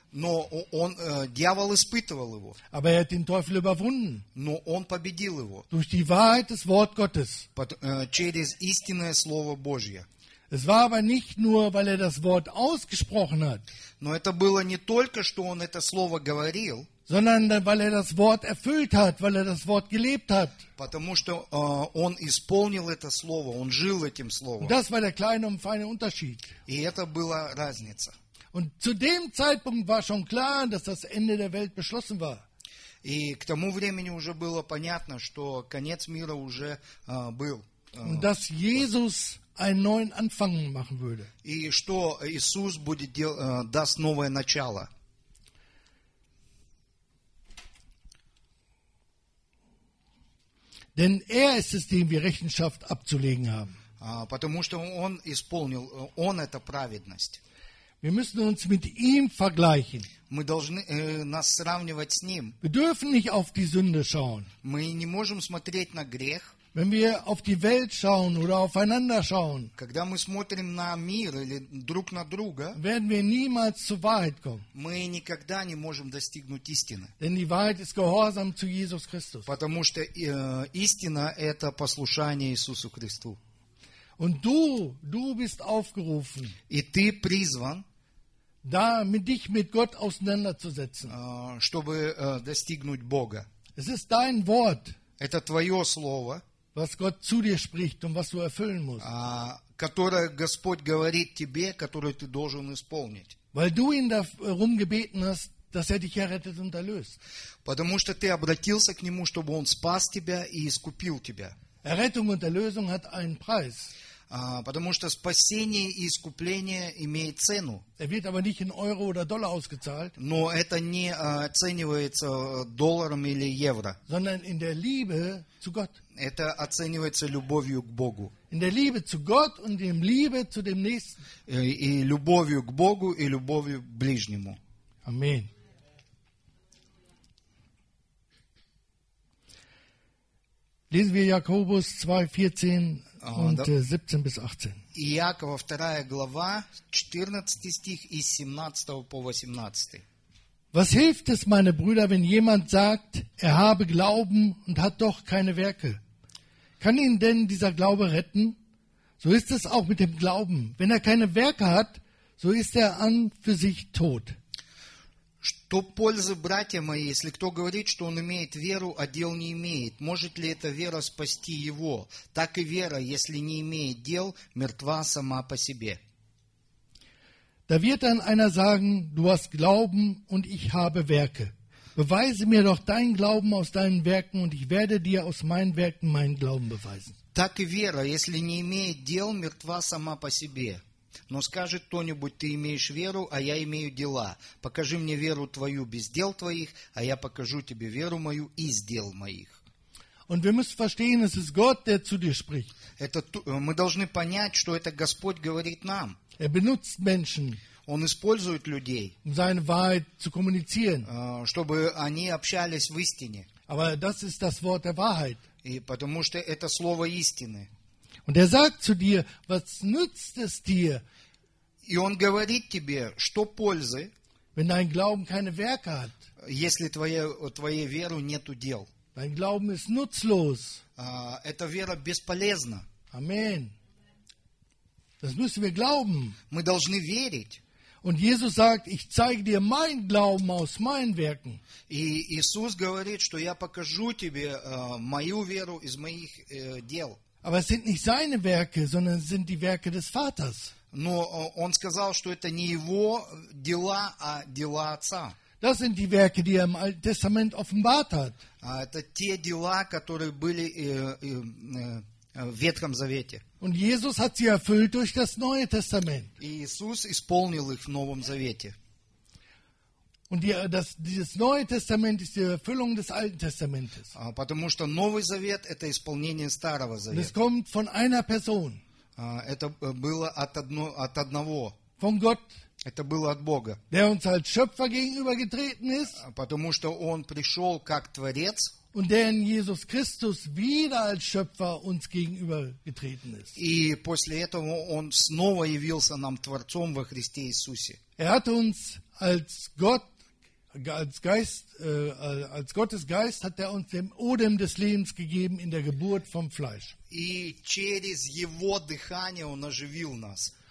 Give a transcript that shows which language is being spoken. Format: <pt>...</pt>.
<ru>Но он, дьявол испытывал его.</ru> <de>Aber er hat den Teufel überwunden.</de> <ru>Но он победил его.</ru> <de>Durch die Wahrheit des Wort Gottes.</de> <ru>Через истинное Слово Божье.</ru> <de>Es war aber nicht nur, weil er das Wort ausgesprochen hat.</de> <ru>Но это было не только, что он это слово говорил.</ru> <de>Sondern weil er das Wort erfüllt hat, weil er das Wort gelebt hat.</de> <ru>Потому что он исполнил это слово, он жил этим словом.</ru> <de>Und das war der kleine und feine Unterschied.</de> <ru>И это была разница.</ru> <de>Und zu dem Zeitpunkt war schon klar, dass das Ende der Welt beschlossen war.</de> <ru>И к тому времени уже было понятно, что конец мира уже был.</ru> <de>Und dass Jesus einen neuen Anfang machen würde.</de> <ru>И что Иисус будет даст новое начало.</ru> <de>Denn er ist es, dem wir Rechenschaft abzulegen haben.</de> <ru>Потому что он исполнил, он это праведность.</ru> <de>Wir müssen uns mit ihm vergleichen.</de> <ru>Мы должны нас сравнивать с ним.</ru> <de>Wir dürfen nicht auf die Sünde schauen.</de> <ru>Мы не можем смотреть на грех.</ru> <de>Wenn wir auf die Welt schauen oder aufeinander schauen,</de> <ru>когда мы смотрим на мир или друг на друга,</ru> <de>werden wir niemals zur Wahrheit kommen.</de> <ru>Мы никогда не можем достигнуть истины.</ru> <de>Denn die Wahrheit ist gehorsam zu Jesus Christus.</de> <ru>Потому что истина это послушание Иисусу Христу.</ru> <de>Und du bist aufgerufen,</de> <ru>и ты призван,</ru> <de>da mit dich mit Gott auseinanderzusetzen,</de> <ru>чтобы достигнуть Бога.</ru> <de>Es ist dein Wort,</de> <ru>это твое слово,</ru> <de>was Gott zu dir spricht und was du erfüllen musst,</de> <ru>которое Господь говорит тебе, которое ты должен исполнить.</ru> <de>Weil du ihn darum gebeten hast, dass er dich errettet und erlöst.</de> <ru>Потому что ты обратился к нему, чтобы он спас тебя и искупил тебя.</ru> <de>Errettung und Erlösung hat einen Preis.</de> <ru>Потому что спасение и искупление имеет цену.</ru> <de>Er wird aber nicht in Euro oder Dollar ausgezahlt,</de> <ru>но это не оценивается долларом или евро.</ru> <de>Sondern in der Liebe zu Gott.</de> <ru>Это оценивается любовью к Богу.</ru> <de>In der Liebe zu Gott und in Liebe zu dem Nächsten.</de> <ru>И любовью к Богу и любовью к ближнему.</ru> <de>Amen. Lesen wir Jakobus 2,14 und 17 bis 18.</de> <ru>Иакова 2 глава, 14 стих и 17 по 18.</ru> <de>Was hilft es, meine Brüder, wenn jemand sagt, er habe Glauben und hat doch keine Werke? Kann ihn denn dieser Glaube retten? So ist es auch mit dem Glauben. Wenn er keine Werke hat, so ist er an für sich tot.</de> <ru>Что пользы, братья мои, если кто говорит, что он имеет веру, а дел не имеет? Может ли эта вера спасти его? Так и вера, если не имеет дел, мертва сама по себе.</ru> <de>Da wird dann einer sagen, du hast Glauben und ich habe Werke. Beweise mir doch deinen Glauben aus deinen Werken und ich werde dir aus meinen Werken meinen Glauben beweisen.</de> <ru>Так и вера, если не имеет дел, мертва сама по себе. Но скажет кто-нибудь, ты имеешь веру, а я имею дела. Покажи мне веру твою без дел твоих, а я покажу тебе веру мою из дел моих.</ru> <de>Und wir müssen verstehen, es ist Gott, der zu dir spricht.</de> <ru>Это, мы должны понять, что это Господь говорит нам.</ru> <de>Er benutzt Menschen,</de> <ru>Он использует людей,</ru> <de>um seine Wahrheit zu kommunizieren.</de> <ru>Чтобы они общались в истине.</ru> <de>Aber das ist das Wort der Wahrheit.</de> <ru>И потому что это слово истины.</ru> <de>Und er sagt zu dir, was nützt es dir?</de> <ru>И он говорит тебе, что пользы,</ru> <de>wenn dein Glauben keine Werke hat?</de> <ru>Если твоей веры нету дел.</ru> <de>Dein Glauben ist nutzlos.</de> <ru>Эта вера бесполезна.</ru> <de>Amen. Das müssen wir glauben.</de> <ru>Мы должны верить.</ru> <de>Und Jesus sagt, ich zeige dir meinen Glauben aus meinen Werken.</de> <ru>И Иисус говорит, что я покажу тебе мою веру из моих дел.</ru> <de>Aber es sind nicht seine Werke, sondern es sind die Werke des Vaters.</de> <ru>Но он сказал, что это не его дела, а дела отца.</ru> <de>Das sind die Werke, die er im Alten Testament offenbart hat.</de> <ru>Это те дела, которые были в Ветхом Завете.</ru> <de>Und Jesus hat sie erfüllt durch das Neue Testament.</de> <ru>И Иисус исполнил их в Новом Завете.</ru> <de>Und dieses Neue Testament ist die Erfüllung des Alten Testamentes.</de> <ru>Потому что Новый Завет – это исполнение Старого Завета.</ru> <de>Es kommt von einer Person.</de> <ru>Это было от одного.</ru> <de>Von Gott.</de> <ru>Это было от Бога.</ru> <de>Der uns als Schöpfer gegenübergetreten ist.</de> <ru>Потому что Он пришел как Творец.</ru> <de>Und der in Jesus Christus wieder als Schöpfer uns gegenübergetreten ist.</de> <ru>И после этого Он снова явился нам Творцом во Христе Иисусе.</ru> <de>Er hat uns als Gott, als Geist, als Gottes Geist hat er uns den Odem des Lebens gegeben in der Geburt vom Fleisch.</de> <ru>И через его дыхание он оживил нас.</ru>